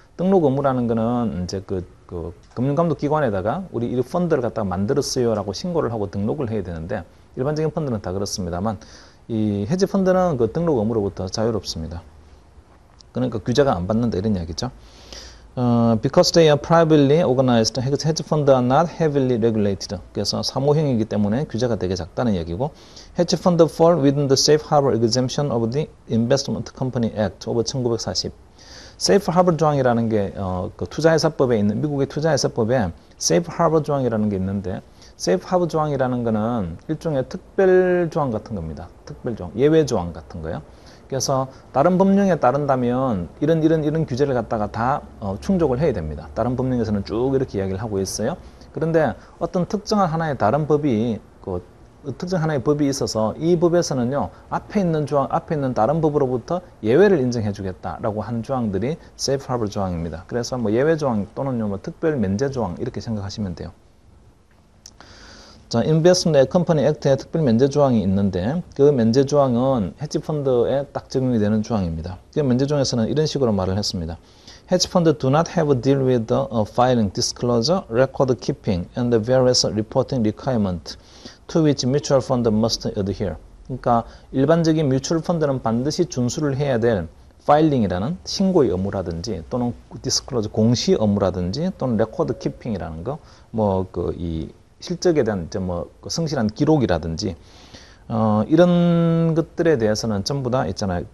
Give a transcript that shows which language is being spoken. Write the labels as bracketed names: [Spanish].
[Korean] 등록 의무라는 거는 이제 그 금융감독기관에다가 우리 이 펀드를 갖다가 만들었어요라고 신고를 하고 등록을 해야 되는데 일반적인 펀드는 다 그렇습니다만 이 헤지 펀드는 그 등록 의무로부터 자유롭습니다. 그러니까 규제가 안 받는다 이런 이야기죠. [English] Because they are privately organized, hedge funds are not heavily regulated. [Korean] 그래서 사모형이기 때문에 규제가 되게 작다는 얘기고, [English] hedge funds fall within the safe harbor exemption of the Investment Company Act of 1940. [Korean] Safe harbor 조항이라는 게, 그 투자회사법에 있는, 미국의 투자회사법에 safe harbor 조항이라는 게 있는데, safe harbor 조항이라는 거는 일종의 특별 조항 같은 겁니다. 특별 조항, 예외 조항 같은 거예요. 그래서 다른 법령에 따른다면 이런 규제를 갖다가 다 충족을 해야 됩니다. 다른 법령에서는 쭉 이렇게 이야기를 하고 있어요. 그런데 어떤 특정한 하나의 다른 법이 특정 하나의 법이 있어서 이 법에서는요 앞에 있는 조항 앞에 있는 다른 법으로부터 예외를 인정해주겠다라고 한 조항들이 Safe Harbor 조항입니다. 그래서 뭐 예외 조항 또는요 뭐 특별 면제 조항 이렇게 생각하시면 돼요. 자, Investment Company Act에 특별 면제 조항이 있는데 그 면제 조항은 헤지 펀드에 딱 적용이 되는 조항입니다. 그 면제 조항에서는 이런 식으로 말을 했습니다. [English] Hedge funds do not have a deal with the filing, disclosure, record keeping, and the various reporting requirement to which mutual fund must adhere. [Korean] 그러니까 일반적인 뮤추얼 펀드는 반드시 준수를 해야 될 파일링이라는 신고의 의무라든지 또는 디스클로저 공시 의무라든지 또는 레코드 키핑이라는 거뭐그이 실적에 대한 이제 뭐 성실한 기록이라든지 이런 것들에 대해서는 전부 다 있잖아요.